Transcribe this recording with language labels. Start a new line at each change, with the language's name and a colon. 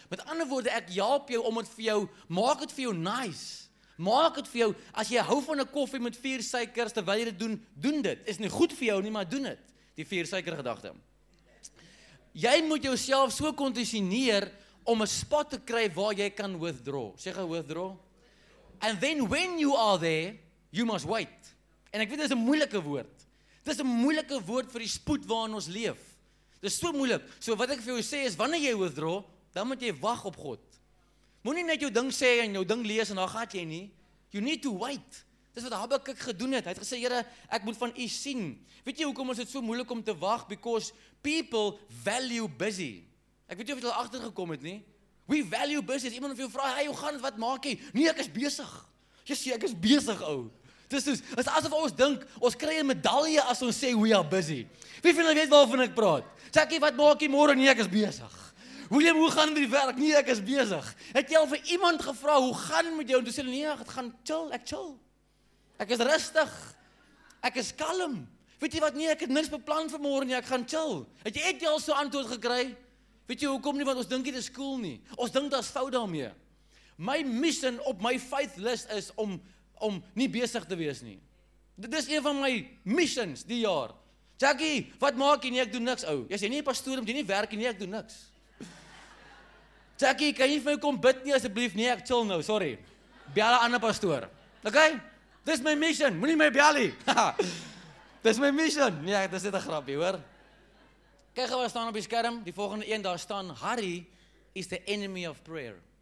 Afrikaans: Met ander woorde, ek help jou om het vir jou, maak het vir jou nice. Maak het vir jou, as jy hou van 'n koffie met vier suikers terwyl jy dit doen, doen dit. Is nie goed vir jou nie, maar doen dit. Die vier suiker gedagte. Jy moet jouself so kondisioneer om 'n spot te kry waar jy kan withdraw. Sê gou withdraw.
English: And then when you are there, you must wait.
Afrikaans: En ek weet dit is 'n moeilike woord. Dit is 'n moeilike woord vir die spoed waarin ons leef. Dit is so moeilik. So wat ek vir jou sê is, wanneer jy withdraw, dan moet jy wag op God. Moenie net jou ding sê en jou ding lees en dan gaat jy nie.
English: You need to wait.
Afrikaans: Dit is wat Habakuk gedoen het. Hy het gesê, Here, ek moet van u sien. Weet jy hoekom is dit so moeilik om te wag?
English: Because people value busy.
Afrikaans: Ek weet nie of jy al agtergekom het nie.
English: We value busy.
Afrikaans: As iemand of jou vraag, hey, hoe gaan het, wat maak jy? Nee, ek is besig. Jy sê, ek is besig, ou. Dis soos, is asof ons dink, ons kry 'n medalje as ons sê,
English: we are busy.
Afrikaans: Wie van jy weet waarvan ek praat? Sê ek jy, wat maak jy morgen? Nee, ek is besig. William, hoe gaan het met die werk? Nee, ek is besig. Het jy al vir iemand gevra, hoe gaan het met jou? En toe sê, nee, het gaan chill, ek chill. Ek is rustig. Ek is kalm. Weet jy wat, nee, ek het niks beplan vir morgen, nee, ek gaan chill. Het jy al so antwoord gekry? Weet jy, hoekom nie, want ons dink nie dis cool nie. Ons dink daar's fout daarmee. My mission op my faith list is om nie besig te wees nie. Dit is een van my missions die jaar. Jackie, wat maak jy? Nee, ek doen niks, ou. Jy sê nie pastoor, moet jy nie werk nie, ek doen niks. Jackie, kan jy vir my kom bid nie asseblief? Nee, ek chill nou, sorry. Bel 'n ander pastoor. Okay? Dis my mission. Moenie my bel nie. Dis my mission. Nee, dis net 'n grapje, hoor. Kyk gou wat staan op die skerm, die volgende een, daar staan,
English: hurry is the enemy of prayer.